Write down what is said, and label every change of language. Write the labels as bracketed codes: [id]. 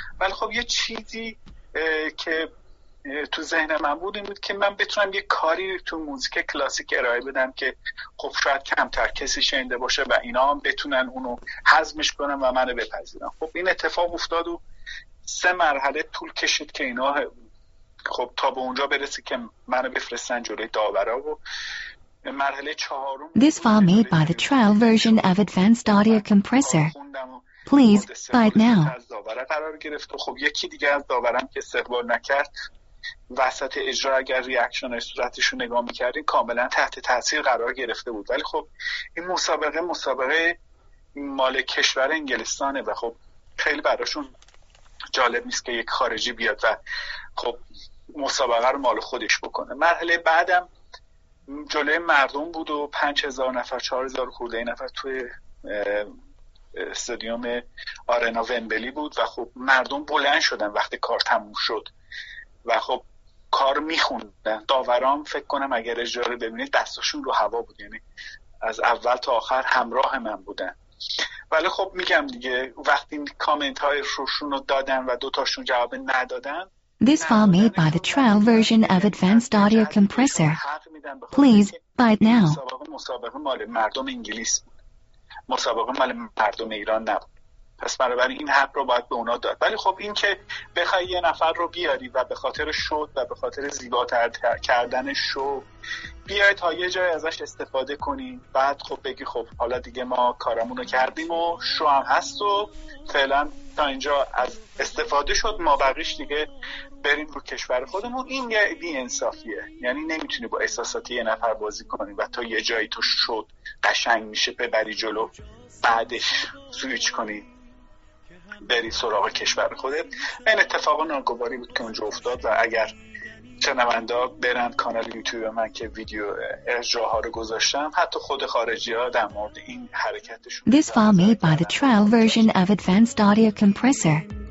[fa] ولی خب یه چیزی که تو ذهن من بود این بود که من بتونم یه کاری تو موزیک کلاسیک ارائه بدم که خب شاید کمتر کسی شنیده باشه و اینا هم بتونن اونو هضمش کنن و منو بپذیرن. خب این اتفاق افتاد و 3 مرحله طول کشید که اینا خب تا به اونجا برسه که منو بفرستن جلوی داورا. و مرحله 4 [en] This file made by the trial version of Advanced Audio Compressor. Please buy it now. [fa] از داورا قرار گرفت و خب یکی دیگه از داورام که استقبال نکرد وسط اجرا اگر ریاکشن های صورتش رو نگاه میکردین کاملا تحت تاثیر قرار گرفته بود. ولی خب این مسابقه مال کشور انگلستانه و خب خیلی براشون جالب نیست که یک خارجی بیاد و خب مسابقه رو مال خودش بکنه. مرحله بعدم جلوی مردم بود و 5,000 نفر 4,000 خورده نفر توی استادیوم آرنا ومبلی بود و خب مردم بلند شدن وقتی کار تموم شد و خب کار میخوندن. داورام فکر کنم اگر اجاره ببینید دستشون رو هوا بود، یعنی از اول تا آخر همراه من بودن. ولی خب میگم دیگه وقتی کامنت های روشون رو دادن و دوتاشون جواب ندادن. [en] This file made by the trial version of Advanced Audio Compressor. Please buy it now. [fa] مسابقه مال مردم انگلیس بود، مسابقه مال مردم ایران نبود، پس بنابراین این حق رو باید به اونا داد. ولی خب این که بخوای یه نفر رو بیاری و به خاطر شد و به خاطر زیباتر کردن شو بیای تا یه جای ازش استفاده کنی، بعد خب بگی خب حالا دیگه ما کارمون رو کردیم و شو هم هست و فعلا تا اینجا از استفاده شد، ما بقیش دیگه بریم رو کشور خودمون، این یه بی‌انصافیه. یعنی نمیتونی با احساساتی یه نفر بازی کنی و تا یه جایی تو شد قشنگ میشه ببری جلو بعدش سویچ کنی بری سراغ کشور خودت. این اتفاق ناگواری بود که اونجا افتاد و اگر شنونده برن کانال یوتیوب من که ویدیو ارجاها رو گذاشتم، حتی خود خارجی ها در مورد این حرکتشون. [en] This file made by the trial version of Advanced Audio Compressor.